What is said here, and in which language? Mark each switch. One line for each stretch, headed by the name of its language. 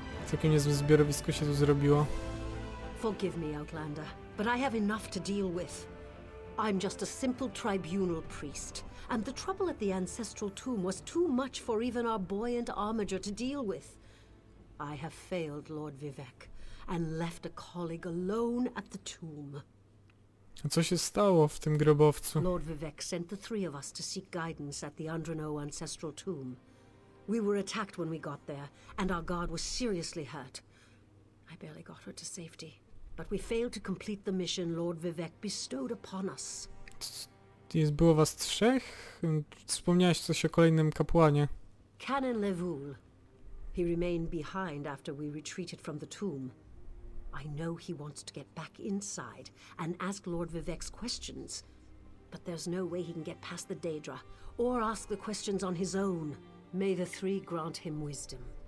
Polish: Takie niezłe zbiorowisko się tu zrobiło.
English: Forgive me, Outlander, but I have enough to deal with. I'm just a simple tribunal priest, and the trouble at the ancestral tomb was too much for even our buoyant armager to deal with. I have failed Lord Vivec and left a colleague alone at the tomb.
Polish: A co się stało w tym grobowcu?
English: Lord Vivec sent the three of us to seek guidance at the Andrano ancestral tomb. We were attacked when we got there, and our guard was seriously hurt. I barely got her to safety, but we failed to complete the mission Lord Vivec bestowed upon us.
Polish: Jest, było was trzech? Wspomniałeś coś o kolejnym kapłanie.
English: Canon Levul. He remained behind after we retreated from the tomb. I know he wants to get back inside and ask Lord Vivec's questions, but there's no way he can get past the Daedra or ask the questions on his own. May the three grant him wisdom.